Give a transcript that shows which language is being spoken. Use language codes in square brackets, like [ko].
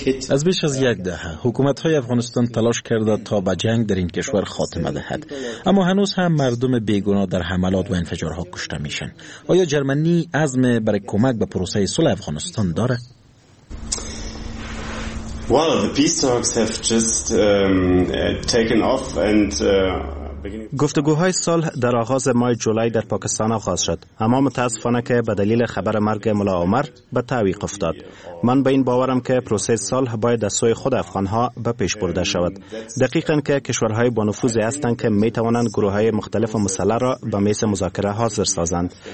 [fa] از بیش از یک دهه حکومت های افغانستان تلاش کرده تا به جنگ در این کشور خاتمه دهد، اما هنوز هم مردم بیگناه در حملات و انفجارها کشته میشن. آیا جرمنی عزم برای کمک به پروسه صلح افغانستان داره؟ [en] Well, the peace talks have just taken off and [fa] گفتگوهای صلح در آغاز ماه جولای در پاکستان آغاز شد، اما متاسفانه که به دلیل خبر مرگ ملا عمر به تعویق افتاد. من به این باورم که پروسه صلح باید از سوی خود افغانها به پیش برده شود. دقیقاً که کشورهای با نفوذ هستند که می توانند گروه‌های مختلف مسلح را به میز مذاکره حاضر سازند.